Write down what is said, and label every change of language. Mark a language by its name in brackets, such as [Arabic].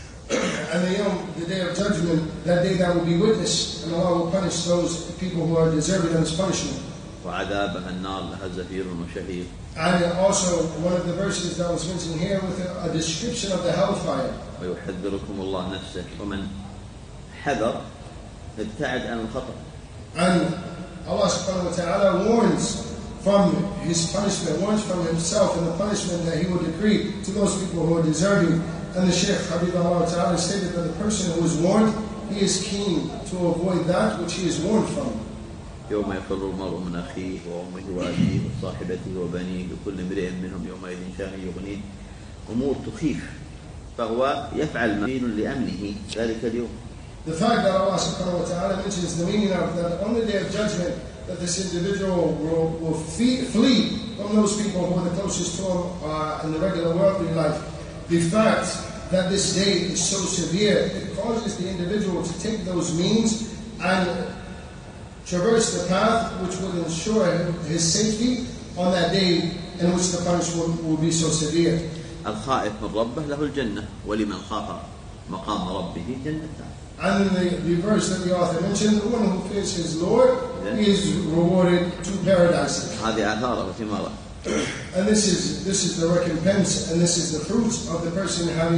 [English] And the day of judgment, that day that will be witnessed, and Allah will punish those people who are deserving of this punishment. [Arabic] وعذابها النار لها زفير وشهيق. [English] And also one of the verses that was mentioned here with a description of the hellfire. [Arabic] ويحذركم الله نفسه ومن حذر ابتعد عن الخطر. [English] And Allah subhanahu wa ta'ala warns from his punishment, warns from himself and the punishment that he will decree to those people who are deserving. And the Shaykh Habibullah Ta'ala stated that the person who is warned, he is keen to avoid that which he is warned from. [Arabic] يوم يفر المرء من أخيه وأمه وأبيه وصاحبته وبنيه وكل امرئ منهم يومئذ شأن يغنيه أمور تخيف فهو يفعل ما يريد لأمنه ذلك اليوم. [English] The fact that Allah subhanahu wa ta'ala mentions the meaning of that on the day of judgment that this individual will flee from those people who are the closest to him in the regular worldly life. The fact that this day is so severe, it causes the individual to take those means and traverse the path which will ensure his safety on that day in which the punishment will be so severe. [Arabic] الخائف من ربه له الجنة ولمن خاف مقام ربه جنته. [English] And the verse that the author mentioned, the one who fears his Lord, yes, he is rewarded two paradises. [Arabic] هذه آثاره وثماره. [English] And this is the recompense, and this is the fruit of the person having